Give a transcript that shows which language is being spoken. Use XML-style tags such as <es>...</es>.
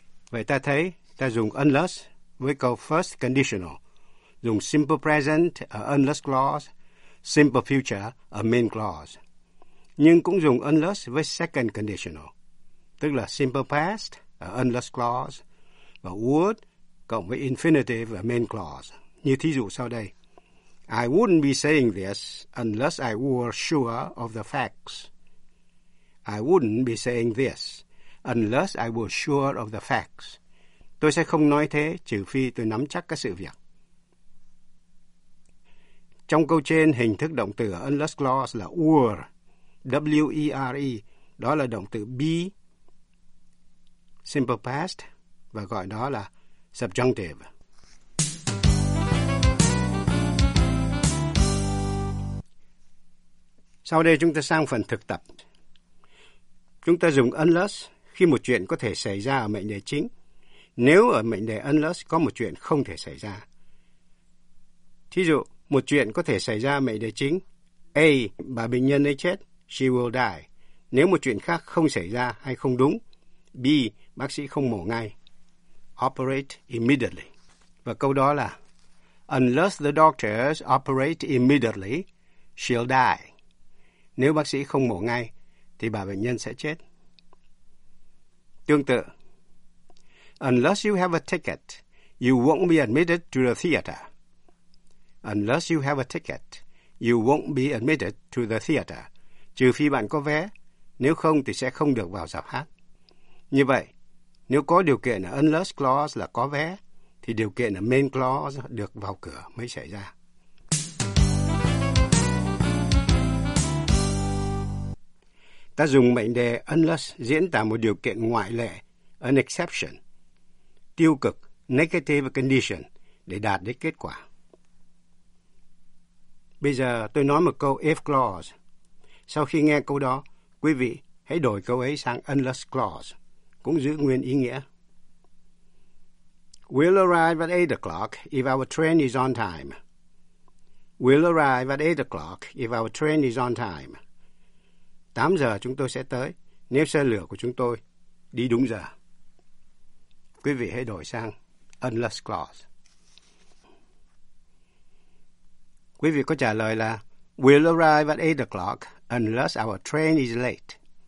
<vi>Vậy ta thấy, ta dùng unless với câu first conditional, dùng simple present ở unless clause, simple future ở main clause, nhưng cũng dùng unless với second conditional, tức là simple past ở unless clause và would cộng với infinitive ở main clause, như thí dụ sau đây.</vi> <en>I wouldn't be saying this unless I were sure of the facts. I wouldn't be saying this unless I were sure of the facts.</en> <vi>Tôi sẽ không nói thế trừ phi tôi nắm chắc các sự việc. Trong câu trên, hình thức động từ ở unless clause là were, W-E-R-E, đó là động từ be, simple past, và gọi đó là subjunctive. Sau đây chúng ta sang phần thực tập. Chúng ta dùng unless khi một chuyện có thể xảy ra ở mệnh đề chính, nếu ở mệnh đề unless có một chuyện không thể xảy ra. Thí dụ, một chuyện có thể xảy ra ở mệnh đề chính: A, bà bệnh nhân ấy chết,</vi> <en>she will die,</en> <vi>nếu một chuyện khác không xảy ra hay không đúng. B, bác sĩ không mổ ngay,</vi> <en>operate immediately.</en> <vi>Và câu đó là</vi> <en>unless the doctors operate immediately, she'll die.</en> <vi>Nếu bác sĩ không mổ ngay, thì bà bệnh nhân sẽ chết. Tương tự,</vi> <en>unless you have a ticket, you won't be admitted to the theater. Unless you have a ticket, you won't be admitted to the theater.</en> <vi>Trừ phi bạn có vé, nếu không thì sẽ không được vào rạp hát. Như vậy, nếu có điều kiện ở unless clause là có vé, thì điều kiện ở main clause được vào cửa mới xảy ra. Ta dùng mệnh đề unless diễn tả một điều kiện ngoại lệ,</vi> <en>an exception,</en> <vi>tiêu cực,</vi> <en>negative condition,</en> <vi>để đạt đến kết quả. Bây giờ tôi nói một câu if clause. Sau khi nghe câu đó, quý vị hãy đổi câu ấy sang unless clause, cũng giữ nguyên ý nghĩa.</vi> <en>We'll arrive at 8 o'clock if our train is on time. We'll arrive at 8 o'clock if our train is on time.</en> <vi>8 giờ chúng tôi sẽ tới nếu xe lửa của chúng tôi đi đúng giờ. Quý vị hãy đổi sang unless clause. Quý vị có trả lời là</vi> <en>we'll arrive at 8 o'clock unless our train is late.</en>